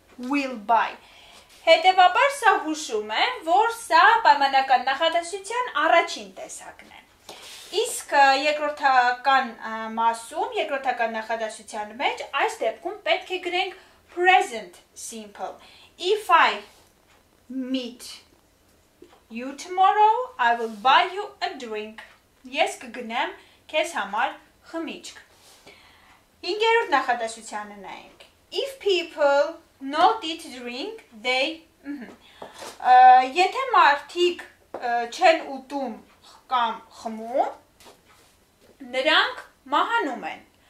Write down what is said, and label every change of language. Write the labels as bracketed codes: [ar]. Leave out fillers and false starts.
[hy] will buy, հետևաբար սա հուշում է, որ սա պայմանական նախադասության առաջին տեսակն է։ Իսկ երկրորդական մասում, երկրորդական նախադասության մեջ այս դեպքում պետք է գրենք present simple. [en] If I meet you tomorrow, I will buy you a drink. [hy] Ես կգնեմ քեզ համար խմիչք։ Հինգերորդ նախադասությանը նայենք։ [en] If people not eat drink, they [hy] Եթե մարդիկ չեն ուտում կամ խմում, նրանք մահանում են։